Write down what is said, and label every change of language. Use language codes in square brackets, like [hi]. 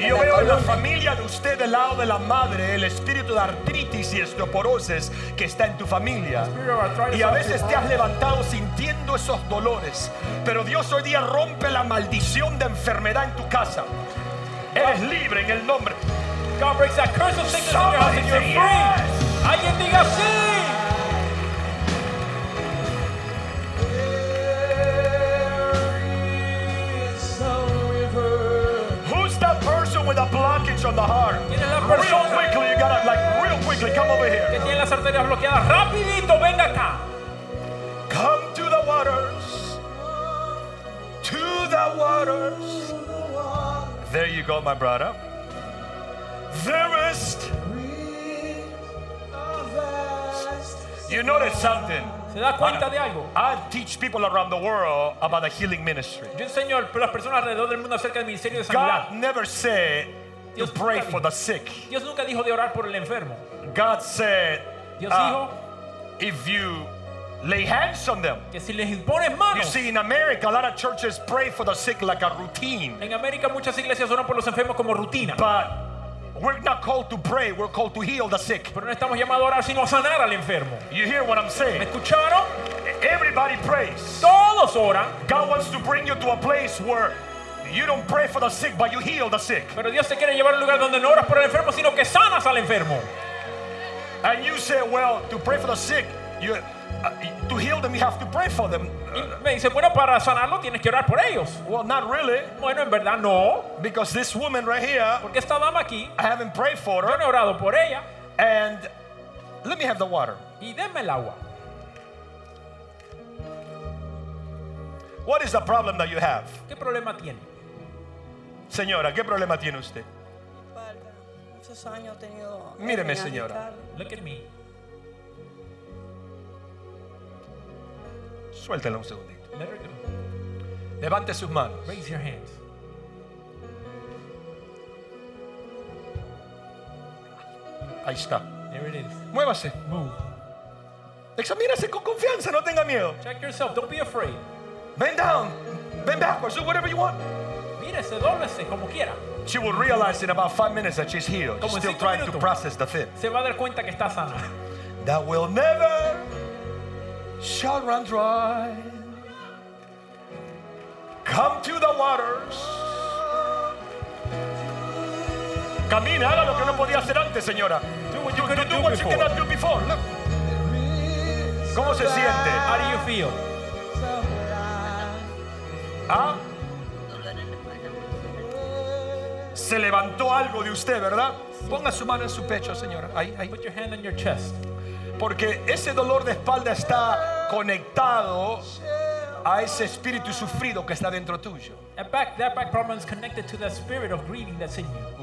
[es] y yo veo en la familia de usted, del lado de la madre, el espíritu de artritis y osteoporosis que está en tu familia. Y a veces te has levantado sintiendo esos dolores. Pero Dios hoy día rompe la maldición de enfermedad en tu casa. Eres libre en el nombre. [en] God breaks that curse of sickness in your house and you're free. [es] Alguien diga sí. [en] Who's that person with a blockage on the heart? Real quickly, you gotta, like, real quickly, come over here. [es] Que tiene las arterias bloqueadas. Rapidito, venga acá. [en] Come to the waters. To the waters. There you go, my brother. There is. You notice something. [es] ¿Se da cuenta de algo? [en] I teach people around the world about the healing ministry. [es] Yo enseño a las personas alrededor del mundo acerca del ministerio de sanidad. [en] God never said to pray for the sick. [es] Dios nunca dijo de orar por el enfermo. [en] God said, [es] Dios dijo, [en] if you lay hands on them. [es] Que si les pones manos. [en] You see, in America, a lot of churches pray for the sick like a routine. [es] En América muchas iglesias oran por los enfermos como rutina. [en] But we're not called to pray, we're called to heal the sick. [es] Pero no estamos llamados a orar, sino a sanar al enfermo. [en] You hear what I'm saying? [es] ¿Me escucharon? [en] Everybody prays. [es] Todos oran. [en] God wants to bring you to a place where you don't pray for the sick, but you heal the sick. [es] Pero Dios te quiere llevar a un lugar donde no oras por el enfermo, sino que sanas al enfermo. [en] And you say, well, to pray for the sick, you to heal them, you have to pray for them. [es] Me dice, bueno, para sanarlo tienes que orar por ellos. [en] Well, not really. [es] Bueno, en verdad no. [en] Because this woman right here, [es] porque esta dama aquí, [en] I haven't prayed for her. [es] Yo no he orado por ella. [en] And let me have the water. [es] Y denme el agua. [en] What is the problem that you have? [es] ¿Qué problema tiene? Señora, ¿qué problema tiene usted? Mi espalda. Muchos años he tenido. Míreme, señora. [en] Look at me. [es] Suéltela un segundito. Levante sus manos. [en] Raise your hands. [es] Ahí está. [en] There it is. [es] Muévase. [en] Move. [es] Examínese con confianza, no tenga miedo. [en] Check yourself, don't be afraid. Bend down. Bend backwards, do whatever you want. [es] Mírese, dóblese como quiera. [en] She will realize in about 5 minutes that she's healed. She's still trying to process the fit. [es] Se va a dar cuenta que está sana. [en] That will never shall run dry. Come to the waters. [es] Camina, haga lo que no podía hacer antes, señora. [en] Do what you cannot do before. Look. [es] ¿Cómo se siente? [en] How do you feel? ¿Ah? [es] Se levantó algo de usted, ¿verdad? Ponga su mano en su pecho, señora. Ahí, ahí. [en] Put your hand on your chest. [es] Porque ese dolor de espalda está conectado a ese espíritu sufrido que está dentro tuyo. [en] That back problem is connected to the spirit of grieving that's in you.